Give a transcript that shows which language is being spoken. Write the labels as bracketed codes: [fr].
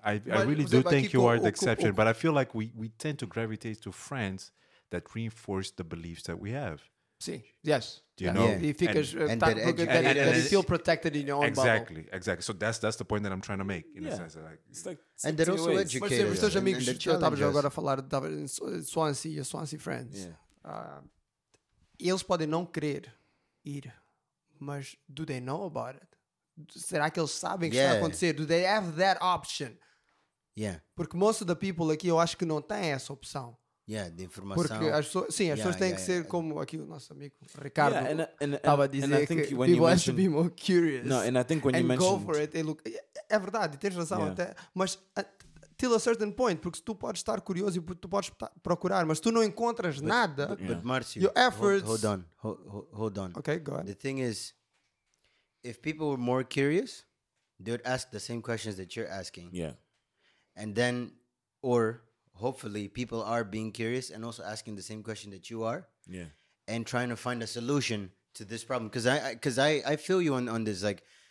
[en] I really do think you are the exception. But I feel like we tend to gravitate to friends that reinforce the beliefs that we have. [pt] Sim, [en] yes. You know, you feel protected in your own exactly, bubble. Exactly. So that's the point that I'm trying to make, in a sense. Like, it's and they're also ways. Educated. [pt] Mas teus amigos, eu estava já agora a falar de Swansea e Swansea Friends. Eles podem não querer ir, mas [en] do they know about it? [pt] Será que eles sabem que está a acontecer? [en] Do they have that option? Yeah. [pt] Porque [en] most of the people [pt] aqui eu acho que não têm essa opção. Yeah, de informação. Porque as pessoas têm que ser como aqui o nosso amigo Ricardo estava a dizer que [en] people have to be more curious. No, and I think when and you mentioned go for it, look, [pt] é verdade, tens razão até, mas [en] till a certain point, [pt] porque tu podes estar curioso e tu podes procurar, mas tu não encontras nada. [en] But Marcio, your efforts. Hold on. Okay, go ahead. The thing is, if people were more curious, they would ask the same questions that you're asking. Yeah. And then, or hopefully, people are being curious and also asking the same question that you are. Yeah. And trying to find a solution to this problem, because I feel you on this, like.